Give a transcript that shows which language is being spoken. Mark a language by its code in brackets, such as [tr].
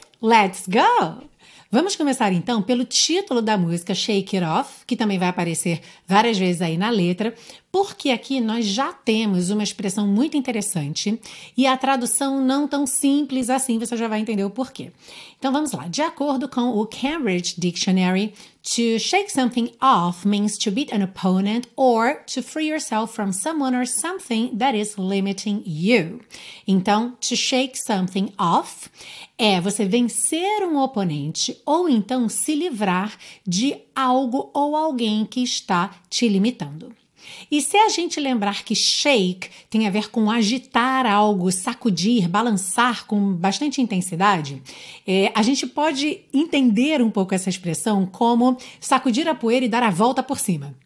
[en] Let's go! [pt] Vamos começar, então, pelo título da música Shake It Off, que também vai aparecer várias vezes aí na letra, porque aqui nós já temos uma expressão muito interessante e a tradução não tão simples assim, você já vai entender o porquê. Então, vamos lá. De acordo com o [en] Cambridge Dictionary, to shake something off means to beat an opponent or to free yourself from someone or something that is limiting you. [pt] Então, [en] to shake something off [pt] é você vencer um oponente ou então se livrar de algo ou alguém que está te limitando. E se a gente lembrar que shake tem a ver com agitar algo, sacudir, balançar com bastante intensidade, a gente pode entender um pouco essa expressão como sacudir a poeira e dar a volta por cima.